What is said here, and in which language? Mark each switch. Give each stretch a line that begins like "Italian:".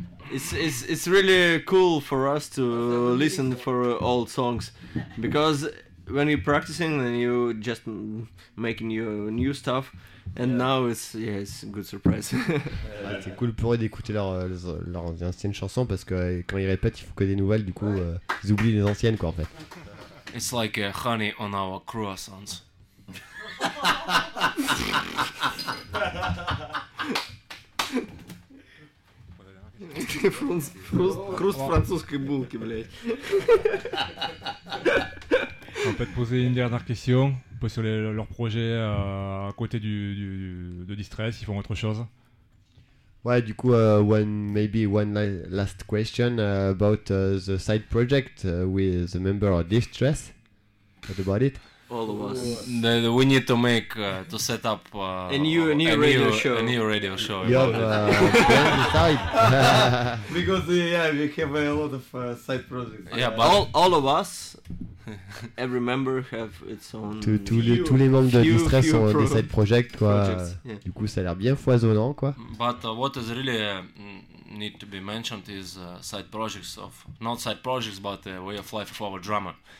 English: It's really cool for us to listen for old songs, because when you're practicing, then you just making your new stuff, and now it's a good surprise.
French: Ah, c'est cool pour eux d'écouter leurs anciennes chansons, parce que quand ils répètent, il faut que des nouvelles, du coup, ils oublient les anciennes, quoi, en fait.
English: It's like honey on our croissants.
Russian: Хруст французской булки, блядь.
French: On peut te poser une dernière question un peu sur leur projet à côté de Distress, ils font autre chose. Ouais, du coup,
English: one last question about the side project with the member of Distress. What about it? All of us. We need to make to set up a new radio show. You have side. Because we have a lot of side projects. Yeah, but all of us. Every member have its own.
French: Tous les membres de Distress ont des side projects, quoi. Du coup, ça a l'air bien foisonnant, quoi.
English: But what is really need to be mentioned is side projects of not side projects, but way of life of our drummer.